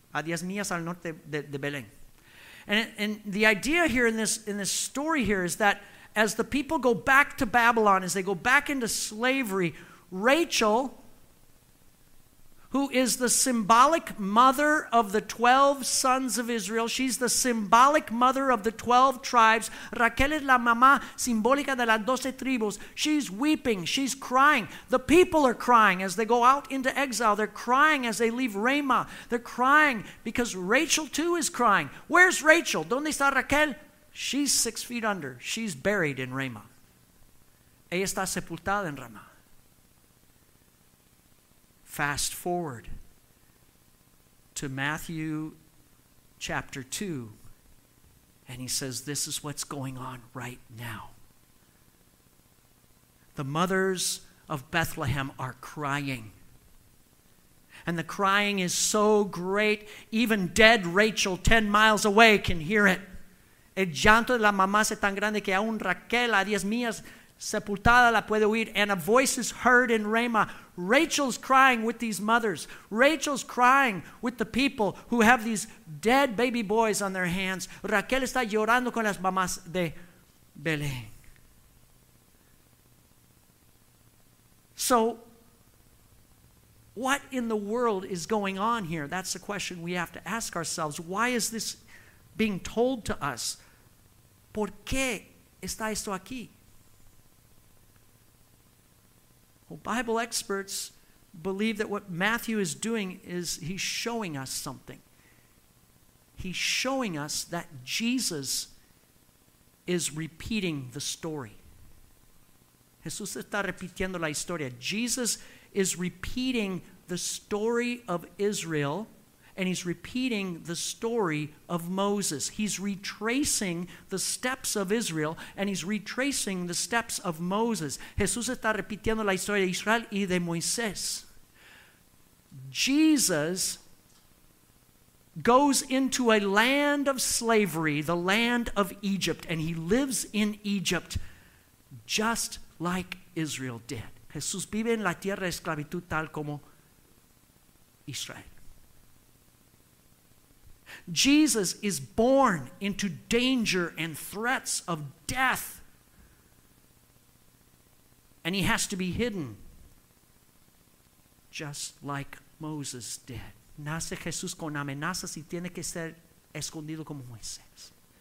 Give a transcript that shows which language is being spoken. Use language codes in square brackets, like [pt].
[es] A 10 millas al norte de Belén. [en] And the idea here in this story here is that as the people go back to Babylon, as they go back into slavery, Rachel, who is the symbolic mother of the 12 sons of Israel, she's the symbolic mother of the 12 tribes. [es] Raquel es la mamá simbólica de las 12 tribus. [en] She's weeping. She's crying. The people are crying as they go out into exile. They're crying as they leave Ramah. They're crying because Rachel too is crying. Where's Rachel? [es] ¿Dónde está Raquel? [en] She's 6 feet under. She's buried in Ramah. [es] Ella está sepultada en Ramah. [en] Fast forward to Matthew chapter 2, and he says, this is what's going on right now. The mothers of Bethlehem are crying. And the crying is so great, even dead Rachel 10 miles away can hear it. [es] El llanto de la mamá es tan grande que aún Raquel a 10 millas sepultada la puede oír. [en] And a voice is heard in Ramah. Rachel's crying with these mothers. Rachel's crying with the people who have these dead baby boys on their hands. [es] Raquel está llorando con las mamás de Belén. [en] So, what in the world is going on here? That's the question we have to ask ourselves. Why is this being told to us? [es] ¿Por qué está esto aquí? [en] Well, Bible experts believe that what Matthew is doing is he's showing us something. He's showing us that Jesus is repeating the story. [es] Jesús está repitiendo la historia. [en] Jesus is repeating the story of Israel, and he's repeating the story of Moses. He's retracing the steps of Israel, and he's retracing the steps of Moses. [es] Jesús está repitiendo la historia de Israel y de Moisés. [en] Jesus goes into a land of slavery, the land of Egypt, and he lives in Egypt just like Israel did. [es] Jesús vive en la tierra de esclavitud tal como Israel. [en] Jesus is born into danger and threats of death. And he has to be hidden, just like Moses did. [es] Nace Jesús con amenazas y tiene que ser escondido como Moisés.